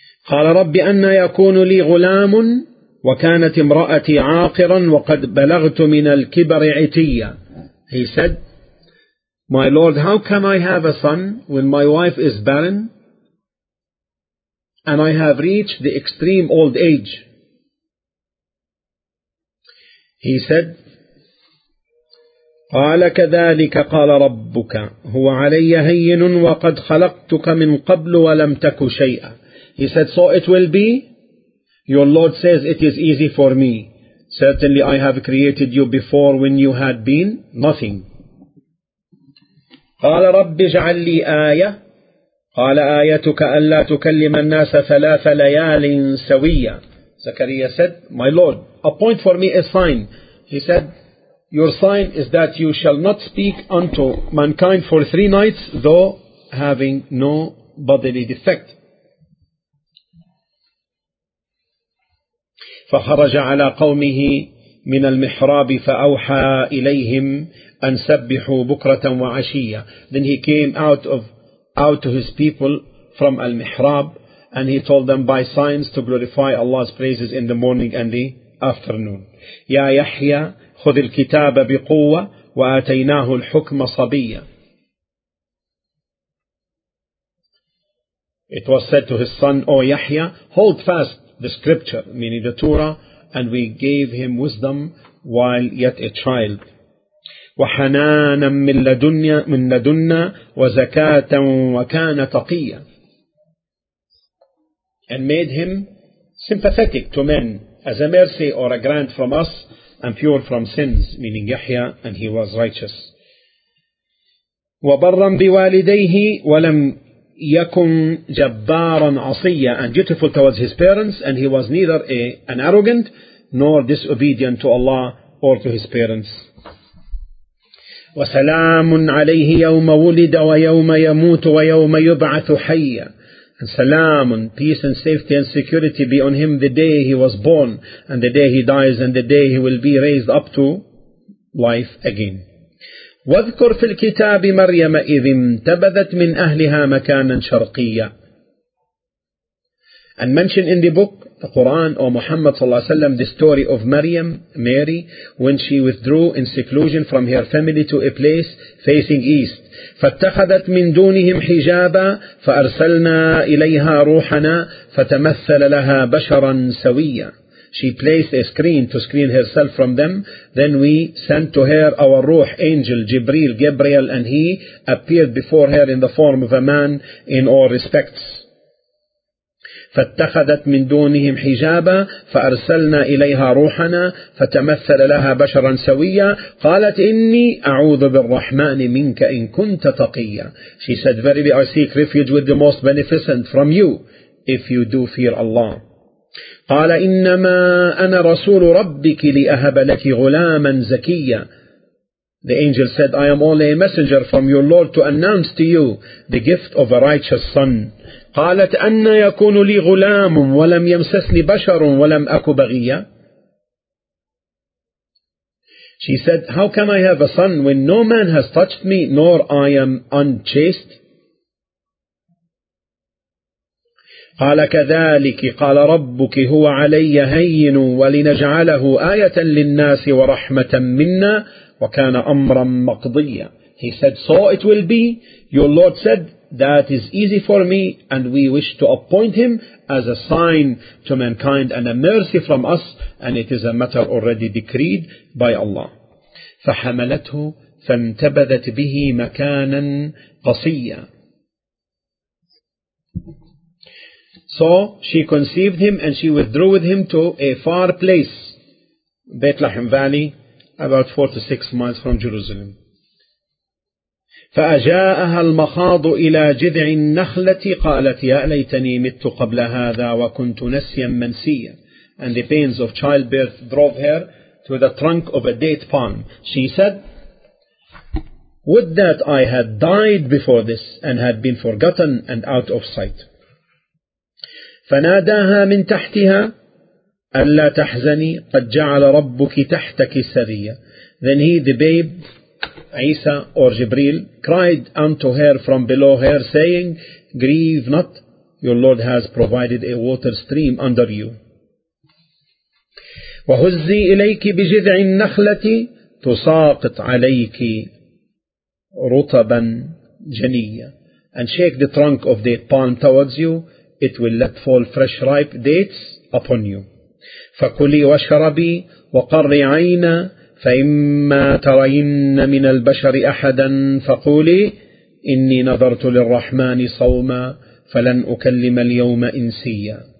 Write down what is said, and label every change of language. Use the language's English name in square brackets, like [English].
[Arabic] قَالَ رَبِّ أَنَّا يَكُونُ لِي غُلَامٌ وَكَانَتْ امْرَأَتِي عَاقِرًا وَقَدْ بَلَغْتُ مِنَ الْكِبَرِ عِتِيًّا. [English] He said, "My Lord, how can I have a son when my wife is barren and I have reached the extreme old age?" He said, [Arabic] قَالَ كَذَلِكَ قَالَ رَبُّكَ هُوَ عَلَيَّ هَيِّنٌ وَقَدْ خَلَقْتُكَ مِنْ قَبْلُ وَلَمْ تَكُ شَيْئًا. [English] He said, "So it will be. Your Lord says it is easy for me. Certainly I have created you before when you had been nothing." [Arabic] قال رب اجعل لي آية قال آيتك ألا تكلم الناس ثلاث ليال سوية. [English] زكريا said, "My Lord, appoint for me a sign." He said, "Your sign is that you shall not speak unto mankind for 3 nights, though having no bodily defect." [Arabic] فخرج على قومه من المحراب فأوحى إليهم أن سبحوا بكرة وعشية. [English] Then he came out to his people from al-mihrab, and he told them by signs to glorify Allah's praises in the morning and the afternoon. [Arabic] يا يحيى خذ الكتاب بقوة وآتيناه الحكم صبيا. [English] It was said to his son, "O Yahya, hold fast the scripture," meaning the Torah, "and we gave him wisdom while yet a child. [Arabic] وَحَنَانًا مِنْ لَدُنَّا وَزَكَاةً وَكَانَ تَقِيًّا. [English] And made him sympathetic to men as a mercy or a grant from us and pure from sins, meaning Yahya, and he was righteous. [Arabic] وَبَرًّا بِوَالِدَيْهِ وَلَمْ يَكُنْ جَبَّارًا عَصِيًّا. [English] And dutiful towards his parents, and he was neither an arrogant nor disobedient to Allah or to his parents. [Arabic] وسلام عليه يوم ولد ويوم يموت ويوم يبعث حيا. [English] And سلام, peace and safety and security be on him the day he was born and the day he dies and the day he will be raised up to life again. [Arabic] واذكر في الكتاب مريم إذ انتبذت من أهلها مكانا شرقيا. [English] And mention in the book, the Quran, or Muhammad [Arabic] صلى الله عليه وسلم, [English] the story of Maryam, Mary, when she withdrew in seclusion from her family to a place facing east. [Arabic] فَاتَّخَذَتْ مِن دُونِهِمْ حِجَابًا فَأَرْسَلْنَا إِلَيْهَا رُوحَنَا فَتَمَثَّلَ لَهَا بَشَرًا سَوِيًّا. [English] She placed a screen to screen herself from them. Then we sent to her our ruh, angel, Jibreel, Gabriel, and he appeared before her in the form of a man in all respects. [Arabic] فاتخذت من دونهم حجابا فأرسلنا إليها روحنا فتمثل لها بشرا سويا قالت إني أعوذ بالرحمن منك إن كنت تقيا. [English] She said, verily I seek refuge with the most beneficent from you if you do fear Allah. [Arabic] قال إنما أنا رسول ربك لأهب لك غلاما زكيا. [English] The angel said, I am only a messenger from your Lord to announce to you the gift of a righteous son. [Arabic] قالت أن يكون لي غلام ولم يمسسني بشر ولم أك بغيا. [English] She said, how can I have a son when no man has touched me nor I am unchaste. [Arabic] قال كذلك قال ربك هو علي هين ولنجعله آية للناس ورحمة منا وكان أمرا مقضيا. [English] He said, so it will be, your Lord said, that is easy for me, and we wish to appoint him as a sign to mankind and a mercy from us, and it is a matter already decreed by Allah. [Arabic] فحملته فانتبذت به مكانا قصيا. [English] So she conceived him and she withdrew with him to a far place, Bethlehem Valley, about 4 to 6 miles from Jerusalem. [Arabic] فأجاءها المخاض إلى جذع النخلة قالت يا ليتني مت قبل هذا وكنت نسيا منسيا. [English] And the pains of childbirth drove her to the trunk of a date palm. She said, would that I had died before this and had been forgotten and out of sight. [Arabic] فناداها من تحتها ألا تحزني قد جعل ربك تحتك سريا. [English] Then he, the babe, Isa or Jibreel, cried unto her from below her, saying, grieve not, your Lord has provided a water stream under you. [Arabic] وهزي إليك بجذع النخلة تساقط عليك رطبا جنيا. [English] And shake the trunk of the palm towards you, it will let fall fresh ripe dates upon you. [Arabic] فكلي واشربي وقري عينا فَإِمَّا تَرَيِنَّ مِنَ الْبَشَرِ أَحَدًا فَقُولِي إِنِّي نَظَرْتُ لِلرَّحْمَنِ صَوْمًا فَلَنْ أُكَلِّمَ الْيَوْمَ إِنْسِيًّا.